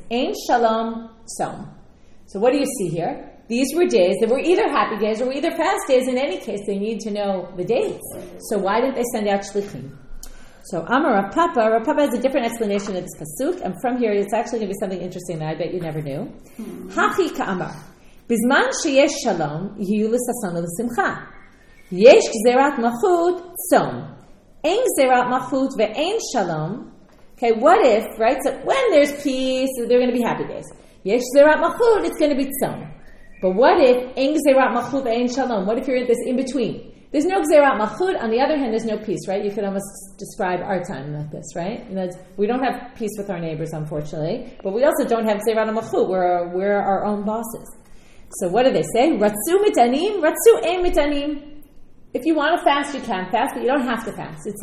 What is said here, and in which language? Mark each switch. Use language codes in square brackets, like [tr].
[en] Ein Shalom Tzom. So what do you see here? These were days that were either happy days or were either fast days. In any case, they need to know the dates. So why didn't they send out Shlichim? So Amar Rav Papa. Rav Papa has a different explanation of this pasuk. And from here, it's actually going to be something interesting that I bet you never knew. Hachi Ka'amar. [he] בזמן שיש שלום, יהיו לששון ולשמחה. יש גזירת מלכות, צום. אין גזירת מלכות ואין שלום. [en] Okay, what if, right? So when there's peace, they're going to be happy days. יש גזירת מלכות, it's going to be צום. But what if, אין גזירת מלכות ואין שלום? What if you're in this in-between? There's no gzeirat malchut. On the other hand, there's no peace, right? You could almost describe our time like this, right? You know, we don't have peace with our neighbors, unfortunately. But we also don't have gzeirat malchut. We're our own bosses. So what do they say? Ratzu mitanim, ratzu ein mitanim. If you want to fast, you can fast, but you don't have to fast.